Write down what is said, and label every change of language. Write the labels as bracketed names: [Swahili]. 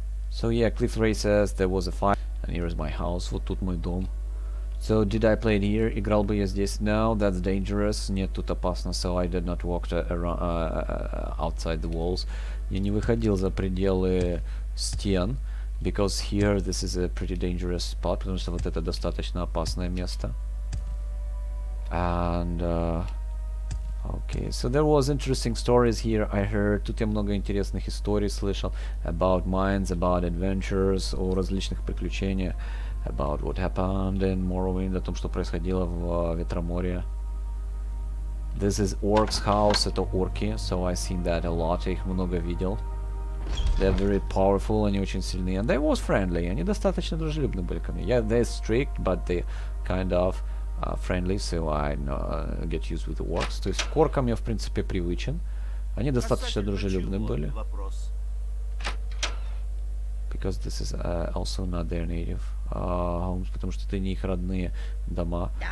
[English] So yeah, Cliff Ray says there was a fire. And here is my house. [Russian] Вот тут мой дом. [English] So did I play it here? [Russian] Играл бы я здесь? [English] No, that's dangerous. [Russian] Нет, тут опасно. [English] So I did not walk around, outside the walls. [Russian] Я не выходил за пределы стен. [English] Because here this is a pretty dangerous spot. [Russian] Потому что вот это достаточно опасное место. [English] And... Okay, so there was interesting stories here I heard. [Russian] Тут я много интересных историй слышал [English] about mines, about adventures, [Russian] о различных приключениях, [English] about what happened in Morrowind, [Russian] о том, что происходило в Ветроморье. [English] This is orcs' house, [Russian] это орки, [English] so I've seen that a lot, [Russian] я их много видел. [English] They're very powerful, [Russian] они очень сильны, [English] and they was friendly, [Russian] они достаточно дружелюбны были ко мне. [English] Yeah, they're strict, but they kind of... friendly, so I get used with the orcs. [Russian] То есть к оркам я, в принципе, привычен. Они достаточно дружелюбны были. Вопрос. [English] Because this is also not their native homes, [Russian] потому что это не их родные дома.